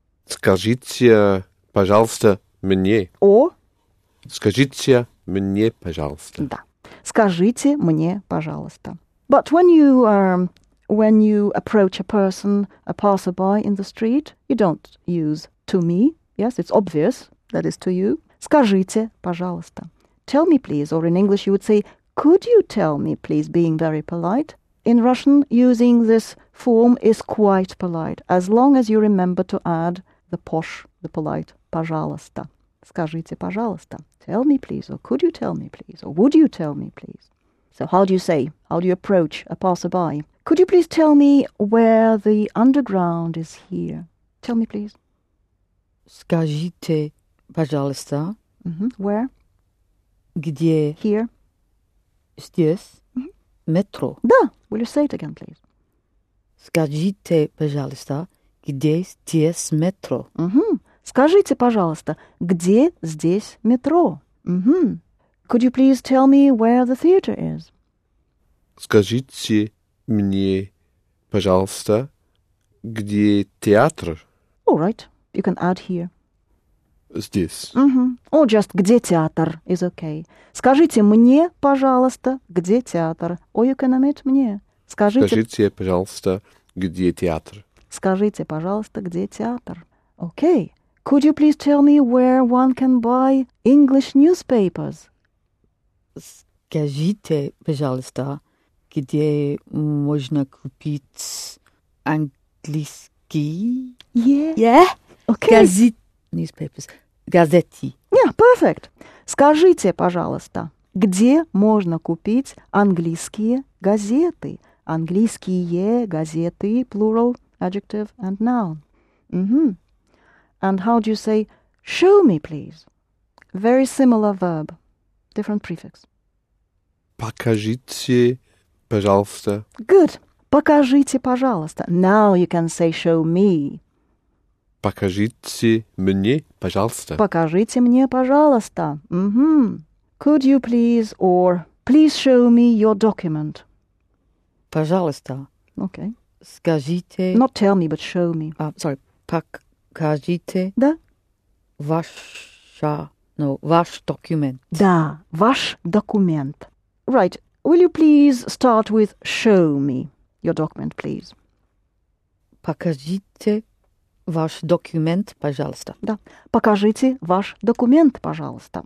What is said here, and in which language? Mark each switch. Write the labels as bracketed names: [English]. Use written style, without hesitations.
[Russian] Скажите, пожалуйста, мне. О. Скажите мне, пожалуйста. Да. Скажите мне, пожалуйста. [English] But when you approach a person, a passerby in the street, you don't use to me. Yes, it's obvious that is to you. [Russian] Скажите, пожалуйста. [English] Tell me, please. Or in English, you would say, could you tell me, please, being very polite. In Russian, using this form is quite polite, as long as you remember to add the posh, the polite, пожалуйста. [Russian] Скажите, пожалуйста. [English] Tell me, please. Or could you tell me, please? Or would you tell me, please? So how do you say? How do you approach a passerby? Could you please tell me where the underground is here? Tell me, please. [Russian] Скажите, пожалуйста. [English] Mm-hmm. Where? [Russian] Где? [English] Here. [Russian] Здесь. [English] Mm-hmm. [Russian] Метро. [English] Да. Will you say it again, please? [Russian] Скажите, пожалуйста. Где здесь метро? [English] Mm-hmm. [Russian] Скажите, пожалуйста, где здесь метро? [English] Mm-hmm. Could you please tell me where the theater is? [Russian] Скажите мне, пожалуйста, где театр? [English] All right. You can add here. [Russian] Здесь. [English] Mm-hmm. Or just [Russian] где театр [English] is okay. [Russian] Скажите мне, пожалуйста, где театр? [English] Or you can omit мне. [Russian] Скажите, пожалуйста, где театр? Скажите, пожалуйста, где театр? [English] Okay. Could you please tell me where one can buy English newspapers? [Russian] Скажите, пожалуйста, где можно купить английский? [English] Yeah. Yeah. Okay. Newspapers. Газети. Yeah, perfect. [Russian] Скажите, пожалуйста, где можно купить английские газеты? Английские газеты, [English] plural. Adjective and noun. Mm-hmm. And how do you say, show me, please? Very similar verb, different prefix. [Russian] Покажите, пожалуйста. [English] Good. [Russian] Покажите, пожалуйста. [English] Now you can say, show me. [Russian] Покажите мне, пожалуйста. Покажите мне, пожалуйста. [English] Mm-hmm. Could you please, or please show me your document. [Russian] Пожалуйста. [English] Okay. [Russian] Скажите. [English] Not tell me, but show me. Sorry. Покажите. [Russian] Да. Ваш документ. Да. Ваш документ. [English] Right. Will you please start with show me your document, please? [Russian] Покажите ваш документ, пожалуйста. Да. Покажите ваш документ, пожалуйста.